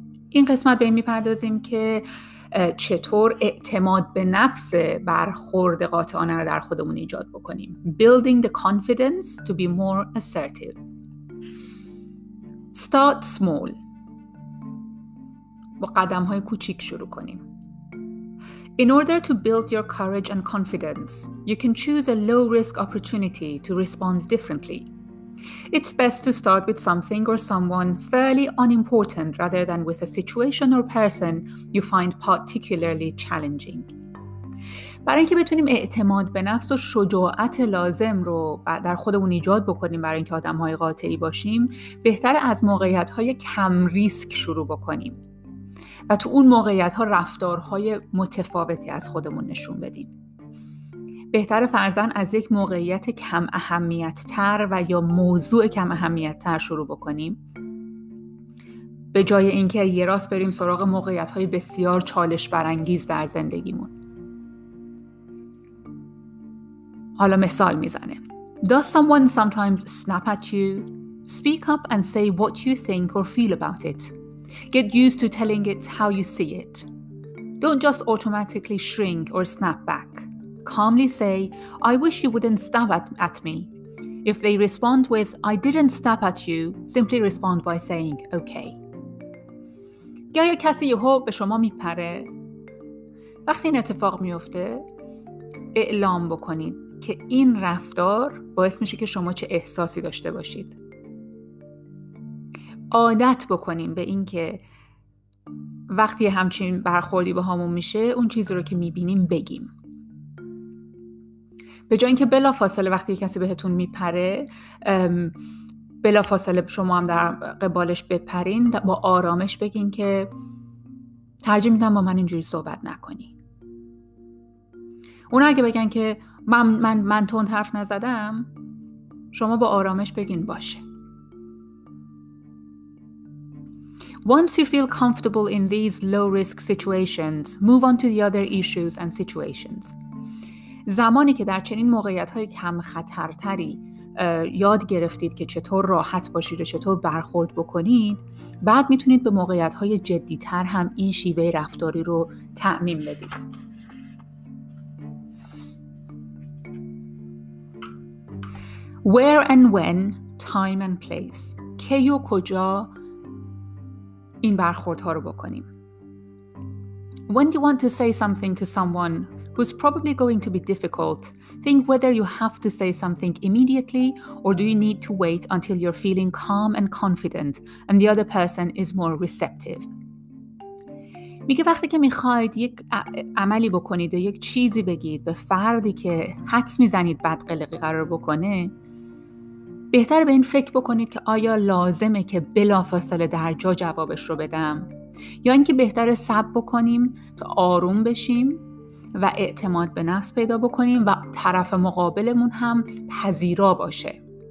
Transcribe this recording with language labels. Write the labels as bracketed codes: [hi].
[fa] این قسمت به این میپردازیم که چطور اعتماد به نفس برخورد قاطعانه رو در خودمون ایجاد بکنیم. [en] Building the confidence to be more assertive. Start small. [fa] با قدم های کوچیک شروع کنیم. [en] In order to build your courage and confidence, you can choose a low risk opportunity to respond differently. It's best to start with something or someone fairly unimportant rather than with a situation or person you find particularly challenging. [fa] برای اینکه بتونیم اعتماد به نفس و شجاعت لازم رو در خودمون ایجاد بکنیم برای اینکه آدم‌های قاطعی باشیم، بهتر از موقعیت‌های کم ریسک شروع بکنیم و تو اون موقعیت‌ها رفتارهای متفاوتی از خودمون نشون بدیم. بهتر فرضاً از یک موقعیت کم اهمیت تر و یا موضوع کم اهمیت تر شروع بکنیم، به جای اینکه یه راست بریم سراغ موقعیت‌های بسیار چالش برانگیز در زندگیمون. حالا مثال میزنه. [en] Does someone sometimes snap at you? Speak up and say what you think or feel about it. Get used to telling it how you see it. Don't just automatically shrink or snap back. Calmly say, I wish you wouldn't snap at me. If they respond with, I didn't snap at you, simply respond by saying, okay. [fa] گاهی کسی یهو به شما میپره، وقتی این اتفاق میفته، اعلام بکنید که این رفتار باعث میشه که شما چه احساسی داشته باشید. عادت بکنیم به این که وقتی همچین برخوردی با همون میشه، اون چیزی رو که میبینیم بگیم. به جای اینکه بلافاصله وقتی کسی بهتون میپره، بلافاصله شما هم در قبالش بپرین، با آرامش بگین که ترجیح میدم با من اینجوری صحبت نکنی. اونا اگه بگن که من تند حرف نزدم، شما با آرامش بگین باشه. [en] Once you feel comfortable in these low risk situations, move on to the other issues and situations. [fa] زمانی که در چنین موقعیت‌های کم خطرتری یاد گرفتید که چطور راحت باشید و چطور برخورد بکنید، بعد میتونید به موقعیت‌های جدی‌تر هم این شیوه رفتاری رو تعمیم بدید. [en] Where and when, time and place. [fa] کی و کجا این برخوردها رو بکنیم. [en] When you want to say something to someone who's probably going to be difficult, think whether you have to say something immediately or do you need to wait until you're feeling calm and confident and the other person is more receptive. [fa] میگه وقتی که میخواید یک عملی بکنید و یک چیزی بگید به فردی که حدس میزنید بدقلقی قرار بکنه، بهتر به این فکر بکنید که آیا لازمه که بلافاصله در جا جوابش رو بدم، یا اینکه بهتره صبر بکنیم تا آروم بشیم و اعتماد به نفس پیدا بکنیم و طرف مقابلمون هم پذیرا باشه.